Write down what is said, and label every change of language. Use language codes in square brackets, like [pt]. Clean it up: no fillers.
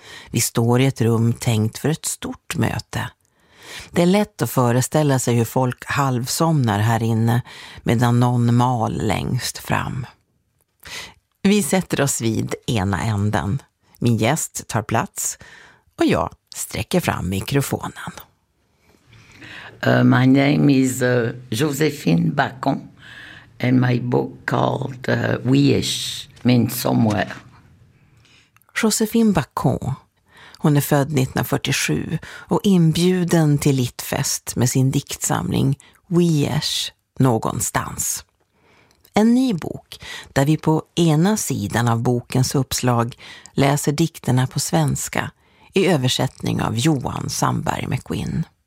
[sv] Vi står i ett rum tänkt för ett stort möte. Det är lätt att föreställa sig hur folk halvsomnar här inne medan någon mal längst fram. Vi sätter oss vid ena änden. Min gäst tar plats och jag sträcker fram mikrofonen. [en] My name is Josephine Bacon. And my book called Wish means somewhere. Josephine Bacon. [sv] Hon är född 1947 och inbjuden till Litfest med sin diktsamling Wish någonstans. En ny bok där vi på ena sidan av bokens uppslag läser dikterna på svenska i översättning av Johan Sandberg McQueen.